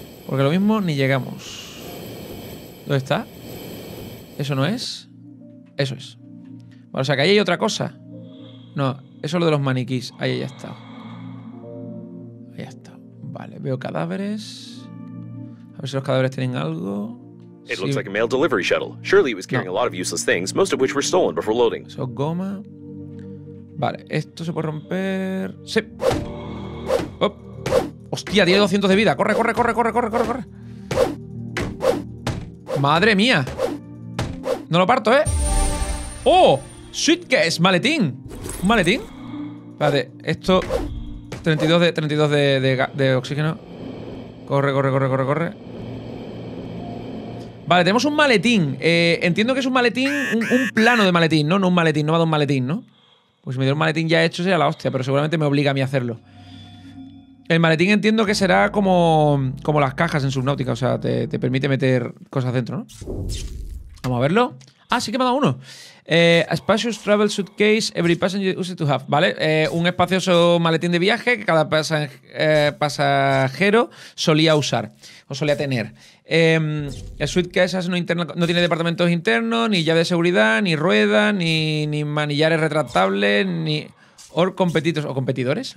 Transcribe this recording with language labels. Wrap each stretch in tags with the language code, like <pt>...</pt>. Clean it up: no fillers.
<es>Porque lo mismo ni llegamos. ¿Dónde está? ¿Eso no es? Eso es. Bueno, o sea, que ahí hay otra cosa. No, eso es lo de los maniquís. Ahí ya está. Ahí está. Vale, veo cadáveres. A ver si los cadáveres tienen algo.</es> <en>It looks like a mail delivery shuttle. Surely it was carrying a lot of useless things, most of which were stolen before loading.</en> <es>Eso es goma. Vale, esto se puede romper. Sí. ¡Op! ¡Hostia, tiene 200 de vida! ¡Corre, corre, corre, corre, corre, corre, corre! ¡Madre mía! No lo parto, ¿eh? ¡Oh! ¡Suitcase! ¡Maletín! ¿Un maletín? Espérate, esto. 32 de oxígeno. Corre, corre, corre, corre, corre. Vale, tenemos un maletín. Entiendo que es un maletín, un plano de maletín, ¿no? No un maletín, no va de un maletín, ¿no? Pues si me dio un maletín ya hecho, sería la hostia, pero seguramente me obliga a mí a hacerlo. El maletín entiendo que será como las cajas en Subnautica, o sea, te permite meter cosas dentro, ¿no? Vamos a verlo. Ah, sí que me ha dado uno.</es> <en>A spacious travel suitcase every passenger uses to have.</en> <es>Vale, un espacioso maletín de viaje que cada pasajero solía usar o solía tener. El</es> <en>suitcase has no,</en> <es>interna, no tiene departamentos internos, ni llave de seguridad, ni rueda, ni manillares retractables, ni... ¿O competidores?</es>